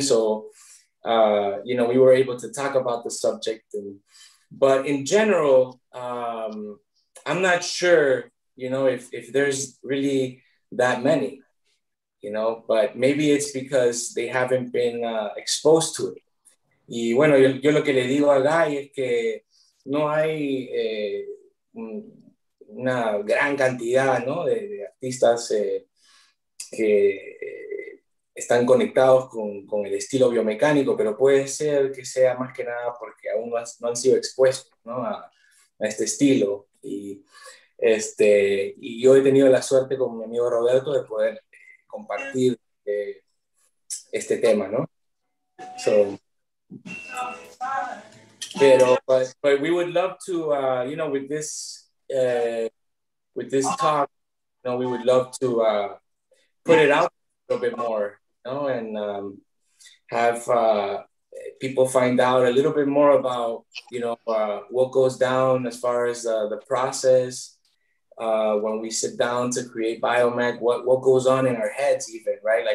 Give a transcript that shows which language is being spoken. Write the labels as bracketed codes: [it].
[en] So, you know, we were able to talk about the subject. But in general, I'm not sure, you know, if there's really that many, you know, but maybe it's because they haven't been exposed to it. [es] Y bueno, yo lo que le digo a Guy es que no hay una gran cantidad, ¿no?, de artistas que están conectados con el estilo biomecánico, pero puede ser que sea más que nada porque aún no han sido expuestos, ¿no?, a este estilo. Y yo he tenido la suerte con mi amigo Roberto de poder compartir este tema, ¿no? [en] So, but we would love to, you know, with this talk, you know, we would love to put it out a little bit more, you know, and have people find out a little bit more about, you know, what goes down as far as the process when we sit down to create biomed, what goes on in our heads even, right?